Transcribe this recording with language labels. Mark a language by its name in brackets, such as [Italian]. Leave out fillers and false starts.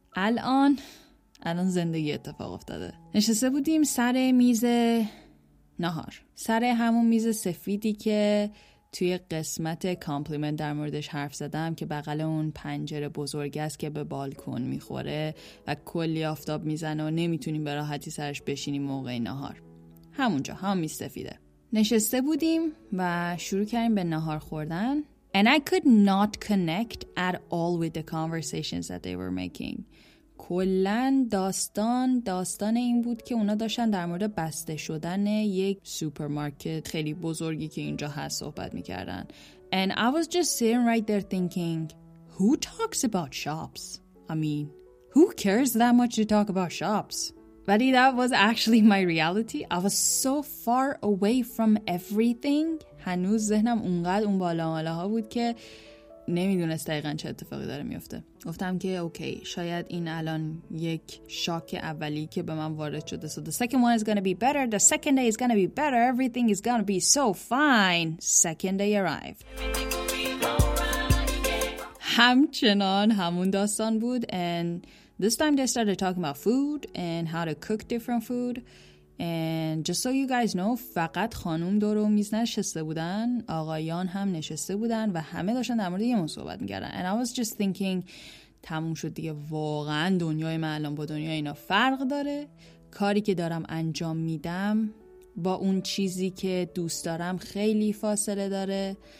[Persian] الان زندگی اتفاق افتاده. نشسته بودیم سر میز نهار، سر همون میز سفیدی که توی قسمت کامپلیمنت در موردش حرف زدم که بغل اون پنجره بزرگ است که به بالکن میخوره و کلی آفتاب میزنه و نمیتونیم به راحتی سرش بشینیم موقع نهار. همونجا، همون میز سفیده. نشسته بودیم و شروع کردیم به نهار خوردن. [English] And I could not connect at all with the conversations that they were making. [Persian] کلن داستان این بود که اونا داشتن در مورد بسته شدن یک سوپرمارکت خیلی بزرگی که اینجا هست صحبت میکردن. [English] And I was just sitting right there thinking, who talks about shops? I mean, who cares that much to talk about shops? Buddy, that was actually my reality. I was so far away from everything. [Persian] هنوز ذهنم اونقدر اون بالا مالاها بود که نمیدونست دقیقا چه اتفاقی داره میفته. گفتم که اوکی، شاید این الان یک شاک اولی که به من وارد شده. [English] So the second one is gonna be better. The second day is gonna be better. Everything is gonna be so fine. Second day arrived. [Persian] همچنان همون داستان بود. [English] And this time they started talking about food and how to cook different food. And just so you guys know, [Persian] فقط خانوم دور و میز نشسته بودن، آقایان هم نشسته بودن و همه داشتن در مورد یه موضوع صحبت می‌کردن. [English] And I was just thinking, [Persian] تموم شد دیگه، واقعا دنیای من الان با دنیای اینا فرق داره. کاری که دارم انجام میدم با اون چیزی که دوست دارم خیلی فاصله داره.